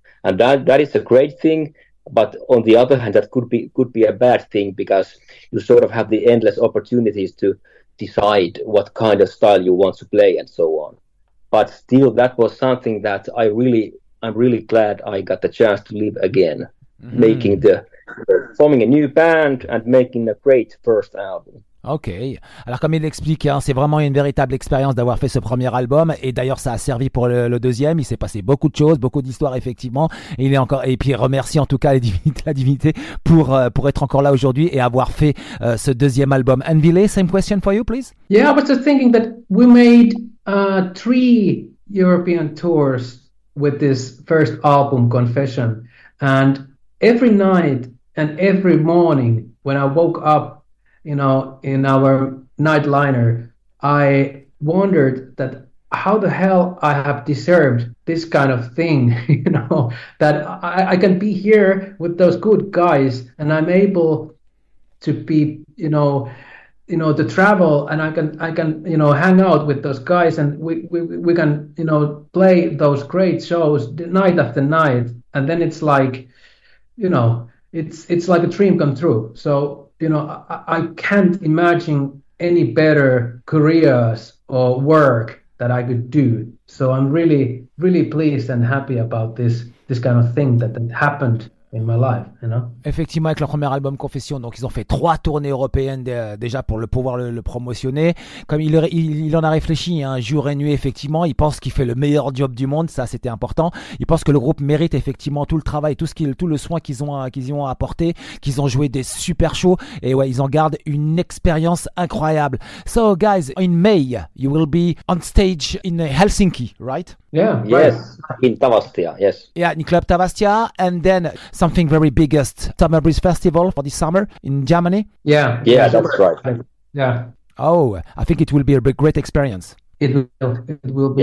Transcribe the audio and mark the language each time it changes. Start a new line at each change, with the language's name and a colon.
English: And that is a great thing. But on the other hand, that could be a bad thing, because you sort of have the endless opportunities to decide what kind of style you want to play and so on. But still, that was something that I'm really glad I got the chance to live again, making the forming a new band and making a great first album.
French: Ok, alors comme il l'explique, hein, c'est vraiment une véritable expérience d'avoir fait ce premier album, et d'ailleurs ça a servi pour le deuxième. Il s'est passé beaucoup de choses, beaucoup d'histoires, effectivement, et puis remercie en tout cas la divinité pour être encore là aujourd'hui et avoir fait ce deuxième album.
English: Anvile, same question for you, please. Yeah, I was just thinking that we made three European tours with this first album, Confession, and every night and every morning when I woke up, you know, in our nightliner, I wondered that how the hell I have deserved this kind of thing, you know, that I can be here with those good guys and I'm able to be, you know, to travel, and I can, you know, hang out with those guys, and we can, you know, play those great shows night after night. And then it's like, you know, it's like a dream come true. So, you know, I can't imagine any better careers or work that I could do. So I'm really, really pleased and happy about this kind of thing that happened in my life, you know?
French: Effectivement, avec leur premier album Confession, donc ils ont fait trois tournées européennes déjà pour pouvoir le promotionner. Comme il en a réfléchi, hein, jour et nuit, effectivement, il pense qu'il fait le meilleur job du monde, ça c'était important. Il pense que le groupe mérite effectivement tout le travail, tout le soin qu'ils ont apporté, qu'ils ont joué des super shows, et ouais, ils en gardent une expérience incroyable.
English: So guys, in May, you will be on stage in Helsinki, right? Yeah, in Club Tavastia, and then something very biggest, Summer Breeze Festival for this summer in Germany. Yeah, that's right. Oh, I think it will be a great experience. It will be.